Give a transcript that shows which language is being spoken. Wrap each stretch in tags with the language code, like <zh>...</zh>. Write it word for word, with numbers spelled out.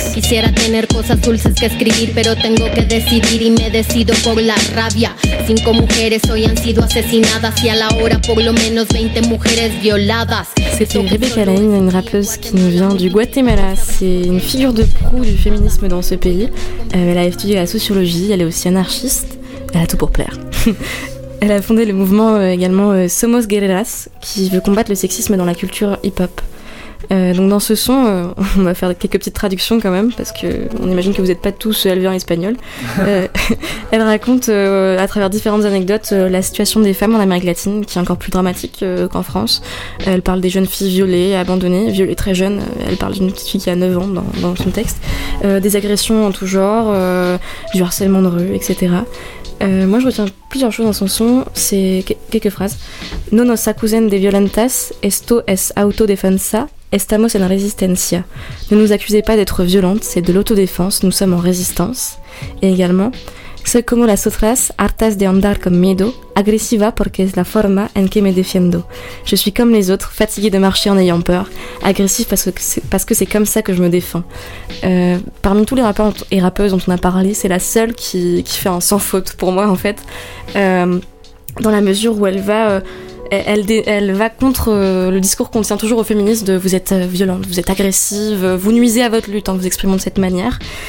<es>Quisiera tener cosas dulces que escribir, pero tengo que decidir y me decido por la rabia. Cinco mujeres hoy han sido asesinadas y a la hora por lo menos veinte mujeres violadas.</es> <fr>C'était Rebecca Hennin, une rappeuse qui nous vient du Guatemala. C'est une figure de proue du féminisme dans ce pays. Euh, elle a étudié la sociologie, elle est aussi anarchiste, elle a tout pour plaire. Elle a fondé le mouvement euh, également euh, Somos Guerreras, qui veut combattre le sexisme dans la culture hip-hop. Euh, donc dans ce son, euh, on va faire quelques petites traductions quand même, parce qu'on imagine que vous n'êtes pas tous élevés en espagnol. Euh, elle raconte euh, à travers différentes anecdotes euh, la situation des femmes en Amérique latine, qui est encore plus dramatique euh, qu'en France. Elle parle des jeunes filles violées, abandonnées, violées très jeunes. Elle parle d'une petite fille qui a neuf ans dans, dans son texte. Euh, des agressions en tout genre, euh, du harcèlement de rue, et cetera. Euh, moi je retiens plusieurs choses dans son son, c'est quelques phrases.</fr> <es>No nos acusen de violentas, esto es autodefensa, estamos en resistencia.</es> <fr>Ne nous accusez pas d'être violentes, c'est de l'autodéfense, nous sommes en résistance. Et également,</fr> <es>soy como las otras, hartas de andar con miedo, agresiva porque es la forma en que me defiendo.</es> <fr>Je suis comme les autres, fatiguée de marcher en ayant peur, agressive parce que c'est, parce que c'est comme ça que je me défends. Euh, parmi tous les rappeurs et rappeuses dont on a parlé, c'est la seule qui, qui fait un sans faute pour moi en fait, euh, dans la mesure où elle va... Euh, Elle, dé- elle va contre euh, le discours qu'on tient toujours aux féministes de vous êtes euh, violente, vous êtes agressive, vous nuisez à votre lutte en hein, vous exprimant de cette manière.</fr>